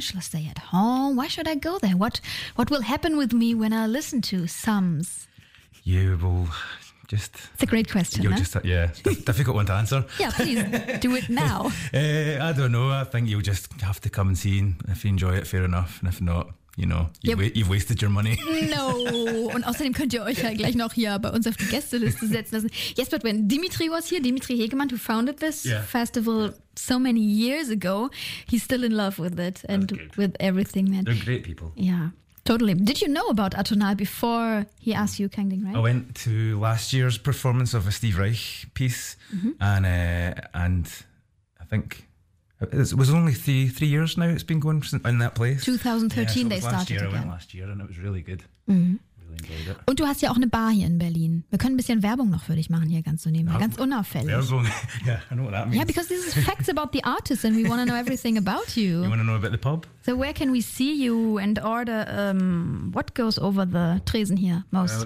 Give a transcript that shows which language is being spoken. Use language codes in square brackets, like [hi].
[en] Should I stay at home? Why should I go there? What will happen with me when I listen to Sums? You will just... It's a great question. You'll just, yeah, difficult one to answer. Yeah, please do it now. I don't know. I think you'll just have to come and see. If you enjoy it, fair enough. And if not... You know, you've wasted your money. No. [de] Und außerdem könnt ihr euch ja gleich noch hier bei uns auf die Gästeliste setzen lassen. [en] Yes, but when Dimitri was here, Dimitri Hegemann, who founded this festival so many years ago, he's still in love with it and with everything. They're great people. Yeah, totally. Did you know about Atonal before he asked you, Kangding, right? I went to last year's performance of a Steve Reich piece and I think... It was only three years now it's been going in that place. 2013 they started again. I went last year and it was really good. Really enjoyed it. [de] Und du hast ja auch eine Bar hier in Berlin. Wir können ein bisschen Werbung noch für dich machen hier ganz zu nehmen. Ganz unauffällig. [en] Werbung, yeah, I know what that means. Yeah, because this is facts about the artist and we want to know everything about you. You want to know about the pub? So where can we see you and order, what goes over the Tresen here most?